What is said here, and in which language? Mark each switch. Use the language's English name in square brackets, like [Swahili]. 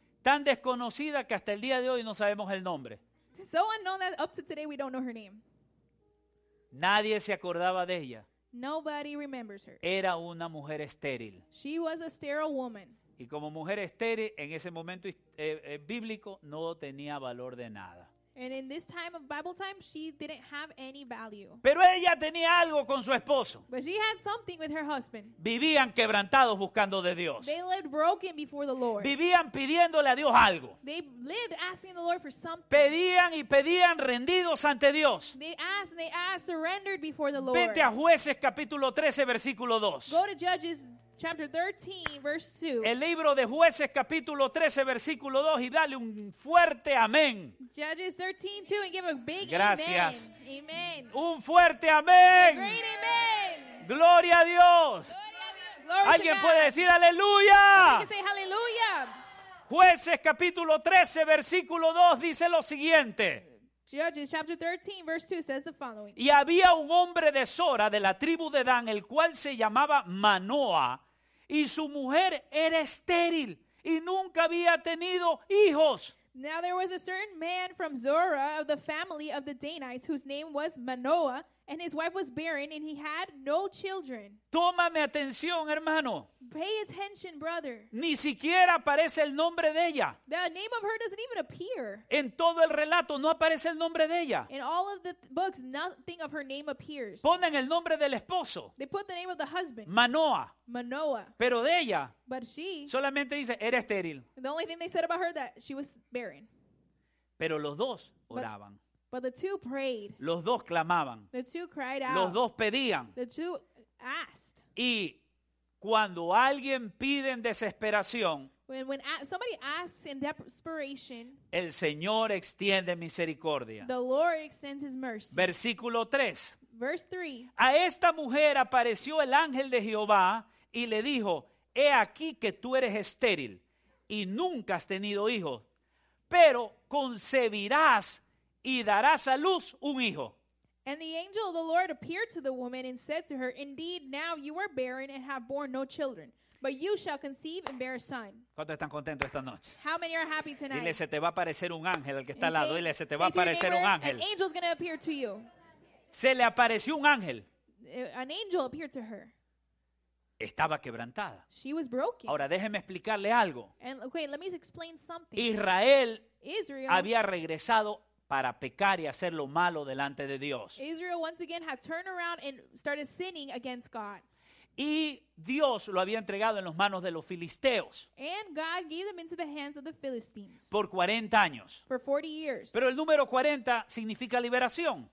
[Spanish] Tan desconocida que hasta el día de hoy no sabemos el nombre. [English] So unknown that up to today we don't know her name. [Spanish] Nadie se acordaba de ella. [English] Nobody remembers her. [Spanish] Era una mujer estéril. [English] She was a sterile woman. [Spanish] Y como mujer estéril en ese momento bíblico no tenía valor de nada. [English] And in this time of Bible time she didn't have any value. [Spanish] Pero ella tenía algo con su esposo. [English] But she had something with her husband. [Spanish] Vivían quebrantados buscando de Dios. [English] They lived broken before the Lord. [Spanish] Vivían pidiéndole a Dios algo. [English] They lived asking the Lord for something. [Spanish] Pedían y pedían rendidos ante Dios. [English] They asked surrendered before the Lord. [Spanish] Vete a Jueces capítulo 13 versículo 2. [English] Go to Judges Chapter 13, verse 2. [Spanish] El libro de Jueces, capítulo 13, versículo 2, y dale un fuerte amén. [English] Judges 13, 2, and give a big [Spanish] Gracias. [English] Amen. Amen. [Spanish] Un fuerte amén. [English] A great amen. [Spanish] Gloria a Dios. Gloria a Dios. Alguien puede decir aleluya. Aleluya. Jueces, capítulo 13, versículo 2, dice lo siguiente. [English] Judges chapter 13 verse 2 says the following. [Spanish] Y había un hombre de Zora de la tribu de Dan, el cual se llamaba Manoah, y su mujer era estéril y nunca había tenido hijos. [English] Now there was a certain man from Zora of the family of the Danites whose name was Manoah, and his wife was barren and he had no children. [Spanish] Tómame atención, hermano. [English] Pay attention, brother. [Spanish] Ni siquiera aparece el nombre de ella. [English] The name of her doesn't even appear. [Spanish] En todo el relato no aparece el nombre de ella. [English] In all of the books, nothing of her name appears. [Spanish] Ponen el nombre del esposo. [English] They put the name of the husband. [Spanish] Manoah. [English] Manoah. [Spanish] Pero de ella. [English] But she. [Spanish] Solamente dice, era estéril. [English] The only thing they said about her that she was barren. [Spanish] Pero los dos oraban. [English] But the two prayed. [Spanish] Los dos clamaban. [English] The two cried out. [Spanish] Los dos pedían. [English] The two asked. [Spanish] Y cuando alguien pide en desesperación, [English] when somebody asks in desperation, [Spanish] el Señor extiende misericordia. [English] The Lord extends his mercy. [Spanish] Versículo 3. [English] Verse 3. [Spanish] A esta mujer apareció el ángel de Jehová y le dijo, he aquí que tú eres estéril y nunca has tenido hijos, pero concebirás y darás a luz un hijo. [English] And the angel of the Lord appeared to the woman and said to her, indeed, now you are barren and have borne no children. But you shall conceive and bear a son. [Spanish] ¿Cuántos están contentos esta noche? [English] How many are happy tonight? [Spanish] Dile, se te va a aparecer un ángel al que está al lado. Dile, se te va a aparecer un ángel. [English] An angel's going to appear to you. [Spanish] Se le apareció un ángel. [English] An angel appeared to her. [Spanish] Estaba quebrantada. [English] She was broken. [Spanish] Ahora déjeme explicarle algo. [English] And, okay, let me explain something. [Spanish] Israel había regresado para pecar y hacer lo malo delante de Dios. [English] Israel once again had turned around and started sinning against God. [Spanish] Y Dios lo había entregado en las manos de los filisteos. [English] And God gave them into the hands of the Philistines. [Spanish] Por 40 años. [English] For 40 years. [Spanish] Pero el número 40 significa liberación.